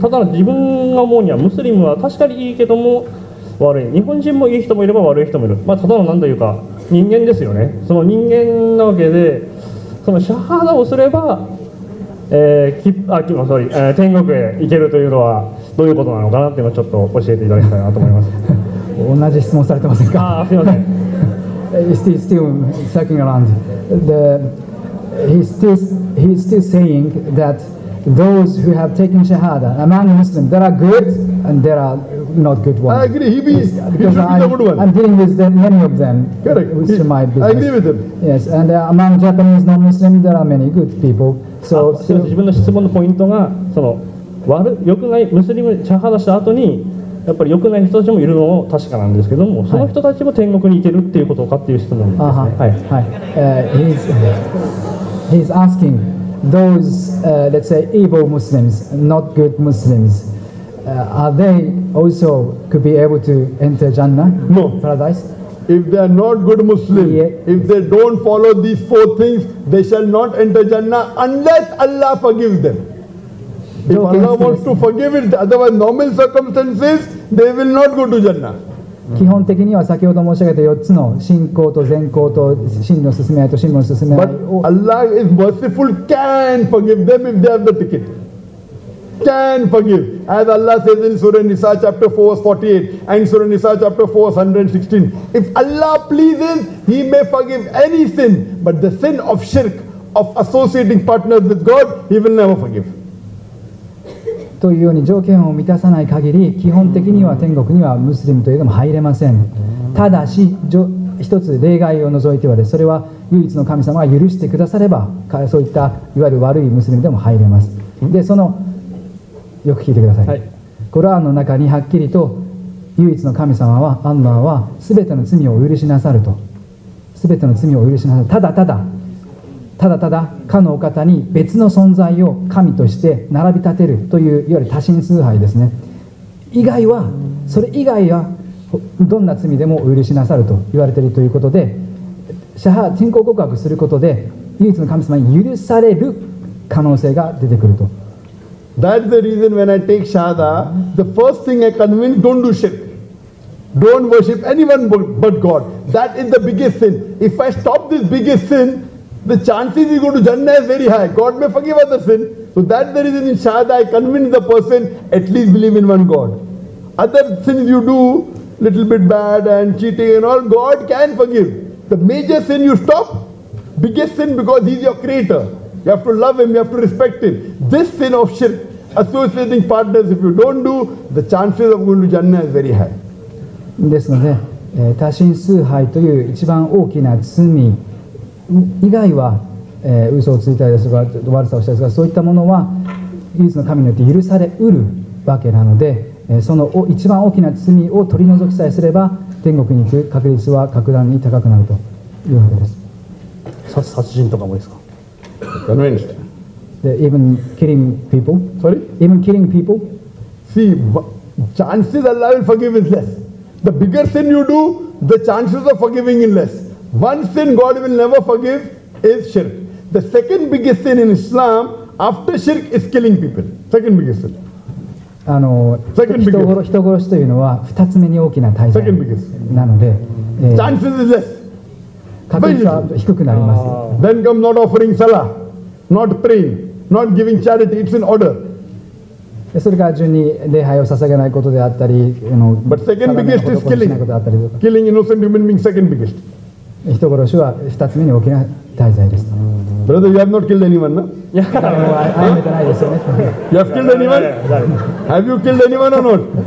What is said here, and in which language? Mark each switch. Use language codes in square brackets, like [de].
[ja] ただ自分が思うにはムスリムは確かにいいけども悪い、日本人もいい人もいれば悪い人もいる、まあ、ただの何というか人間ですよね。その人間なわけで、そのシャハードをすれば天国へ行けるというのはどういうことなのかなというのをちょっと教えていただきたいなと思います。同じ質問されてませんか。あ、すいません。 [en] He's still circling around. He's still saying that those who have taken shahada among Muslims, there are good and there are not good ones. I agree. He should be the good one. I'm dealing with many of them. Correct. My business. I agree with him. Yes, and among Japanese non-Muslims, there are many good people. [ja] 自分の質問のポイントが、その良くないムスリムにシャハダした後にやっぱり良くない人たちもいるのも確かなんですけども、その人たちも天国に行けるっていうことかっていう質問ですね。はい、はい、 [en] he's asking those let's say evil Muslims, not good Muslims, are they also could be able to enter Jannah? No. Paradise? If they are not good Muslim, if they don't follow these four things, they shall not enter Jannah unless Allah forgives them. If Allah wants to forgive it, otherwise normal circumstances, they will not go to Jannah. [ja] 基本的には先ほど申し上げた4つの信仰と善行と真理の進め合いと真理の進め合い。 [en] But Allah is merciful, can forgive them if they have the ticket. Can forgive. As Allah says in Surah Nisa chapter 4 verse 48 and Surah Nisa chapter 4 verse 116, if Allah pleases, He may forgive any sin, but the sin of shirk, of associating partners with God, He will never forgive. [ja] というように条件を満たさない限り基本的には天国にはムスリムといえども入れません。ただし一つ例外を除いてはで、それは唯一の神様が許してくだされば、そういったいわゆる悪いムスリムでも入れます。でそのよく聞いてください、はい、コランの中にはっきりと唯一の神様はアンナーは全ての罪をお許しなさると、全ての罪をお許しなさる、ただただただただかのお方に別の存在を神として並び立てるといういわゆる多神崇拝ですね、以外はそれ以外はどんな罪でもお許しなさると言われているということで、シャハ信仰告白することで唯一の神様に許される可能性が出てくると。 [en] That's the reason when I take Shahada, the first thing I convince, don't do shirk. Don't worship anyone but God. That is the biggest sin. If I stop this biggest sin,the chances you go to Jannah is very high. God may forgive other sin. So that's the reason in Shahada I convince the person at least believe in one God. Other sins you do, little bit bad and cheating and all, God can forgive. The major sin you stop, biggest sin, because He's your creator. You have to love Him, you have to respect Him. This sin of shirk, associating partners, if you don't do, the chances of going to Jannah is very high. [ja] ですので、多神崇拝という一番大きな罪以外は、嘘をついたりですとかちょっと悪さをしたりとか、そういったものは唯一の神によって許されうるわけなので、その一番大きな罪を取り除きさえすれば天国に行く確率は格段に高くなるというわけです。殺人とかもですか？ダメです [en] で、even killing people? Sorry? Even killing people? See, chances Allah will forgive is less. The bigger sin you do, the chances of forgiving is less. One sin God will never forgive is shirk. The second biggest sin in Islam after shirk is killing people. Second biggest sin. Second biggest. [ja] 人殺しというのは二つ目に大きな大罪。 [en] Second biggest. [ja] なので、 [en] chances is less. [ja] 確率は低くなります。 [en] Then come not offering salah, not praying, not giving charity. It's in order. [ja] それから順に礼拝を捧げないことであったり、 [en] But second biggest is killing. Killing innocent human beings. Second biggest. [ja] 人殺しは二つ目に大きな大罪です。 [en] Brother, you have not killed anyone, no? Yeah, I have not. You have killed anyone? Have you killed anyone or not?